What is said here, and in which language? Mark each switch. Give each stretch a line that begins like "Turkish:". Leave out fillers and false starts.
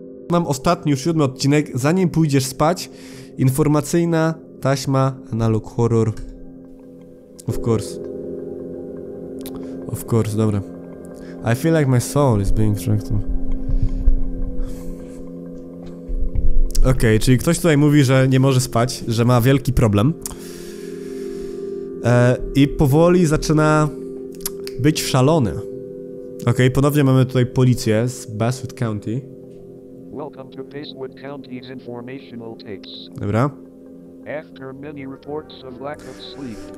Polish: Mam ostatni, już siódmy odcinek. Zanim pójdziesz spać, informacyjna taśma Analog Horror.
English: Of course,
Polish: dobra.
English: I feel like my soul is being tracked.
Polish: Okej, czyli ktoś tutaj mówi, że nie może spać, że ma wielki problem. I powoli zaczyna być szalony. Okej, ponownie mamy tutaj policję z Bestwood County.
English: Welcome to Bestwood County's informational tapes.
Polish: Dobra.
English: After many reports of lack of sleep.